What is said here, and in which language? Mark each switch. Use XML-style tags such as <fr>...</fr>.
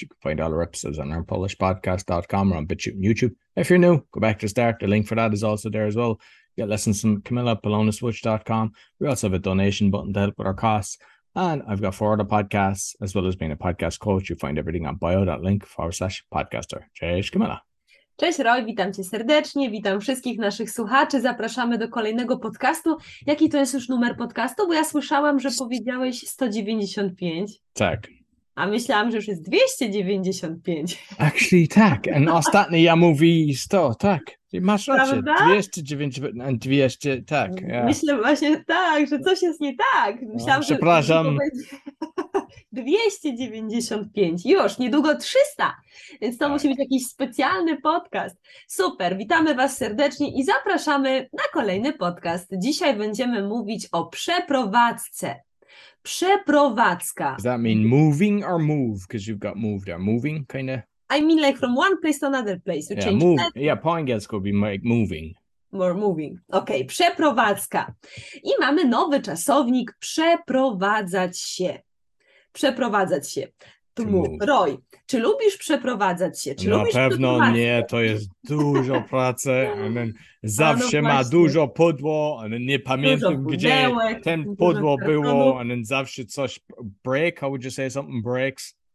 <en>You can find all our episodes on learnpolishpodcast.com or on BitChute and YouTube. If you're new, go back to the start. The link for that is also there as well. Get lessons from CamillaPoloniSwitch.com. We also have a donation button to help with our costs. And I've got four other podcasts, as well as being a podcast coach. You find everything on bio.link/podcaster.</en> <pl>Cześć, Camilla. Cześć Roy, witam Cię serdecznie, witam wszystkich naszych słuchaczy, zapraszamy do kolejnego podcastu. Jaki to jest już numer podcastu? Bo ja słyszałam, że powiedziałeś 195. Tak. A myślałam, że już jest 295.</pl> <en>Actually</en> <pl>tak, a ostatni ja mówi 100, tak. Masz rację, 295</pl> <en>and 200,</en> <pl>tak.</pl> <en>Yeah.</en> <pl>Myślę właśnie tak, że coś jest nie tak. Myślałam, no, przepraszam. Że 295, już, niedługo 300. Więc to musi być jakiś specjalny podcast. Super, witamy Was serdecznie i zapraszamy na kolejny podcast. Dzisiaj będziemy mówić o przeprowadzce. Przeprowadzka.</pl> <en>Does that mean moving or move? Because you've got move there. Moving, kind of? I mean like from one place to another place. You yeah, move. Yeah, point gets could be like moving. More moving. Ok, przeprowadzka.</en> <pl>I mamy nowy czasownik, przeprowadzać się. Przeprowadzać się.</pl> <en>To move.</en> <pl>Roy, czy lubisz przeprowadzać się? Czy na pewno przeprowadzać? Nie, to jest dużo pracy. And then zawsze no ma dużo pudło, and then nie pamiętam, gdzie ten pudło było, and then zawsze coś break,</pl> <en>how would you say something breaks?</en>